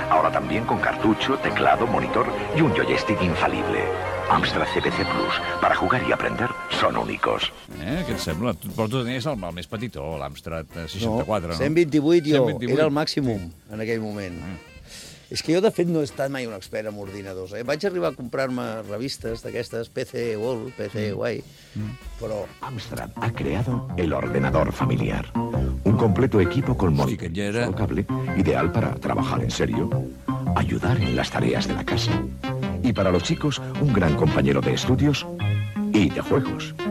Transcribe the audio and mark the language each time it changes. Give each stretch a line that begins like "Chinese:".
Spanish: Ahora también con cartucho, teclado, monitor y un joystick infalible. Amstrad CPC Plus. Para jugar y aprender, son únicos.
Catalan: Què et sembla? Però tu tenies el més petitó, l'Amstrad 64, no? 128, jo. 128. Era el màximum, sí, en aquell moment. És que jo, de fet, no he estat mai un expert en ordinadors. Vaig arribar a comprar-me revistes d'aquestes, PC World, PC Way, però...
Spanish: Amstrad ha creado el ordenador familiar. Un completo equipo con monitor cable, ideal para trabajar en serio, ayudar en las tareas de la casa... Y para los chicos, un gran compañero de estudios y de juegos.